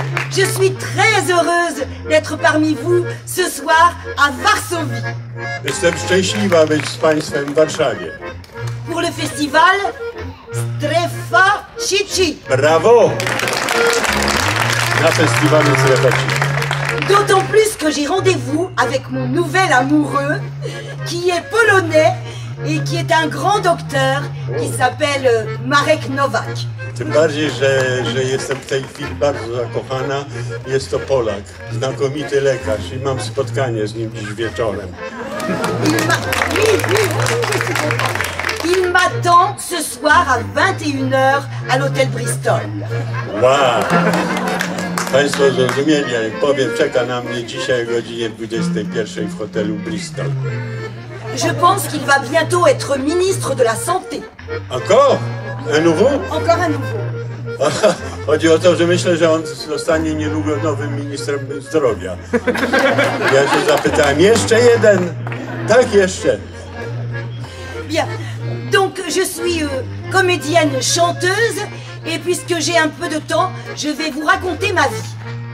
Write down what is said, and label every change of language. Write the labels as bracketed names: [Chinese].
[French] Je suis très heureuse d'être parmi vous ce soir à Varsovie. [Polish] Jestem szczęśliwa być z Państwem w Warszawie. [French] Pour le festival Strefa Ciszy. Bravo! [Polish] Na festiwalu Strefa Ciszy. [French] D'autant plus que j'ai rendez-vous avec mon nouvel amoureux qui est polonais et qui est un grand docteur qui s'appelle Marek Nowak. [Polish] Tym bardziej, że jestem w tej chwili bardzo zakochana. Jest to Polak, znakomity lekarz i mam spotkanie z nim dziś wieczorem. [French] Il m'attend ce soir à 21h à l'hôtel Bristol. Wow! [Polish] Państwo zrozumieli, ale powiem, czeka na mnie dzisiaj o godzinie 21 w hotelu Bristol. [French] Je pense qu'il va bientôt être ministre de la santé. Encore? Un nouveau? Encore un nouveau. [Polish] Chodzi o to, że myślę, że on zostanie niedługo nowym ministrem zdrowia. Ja się zapytałem, jeszcze jeden? Tak, jeszcze. [French] Bien. Donc, je suis comédienne chanteuse et puisque j'ai un peu de temps, je vais vous raconter ma vie.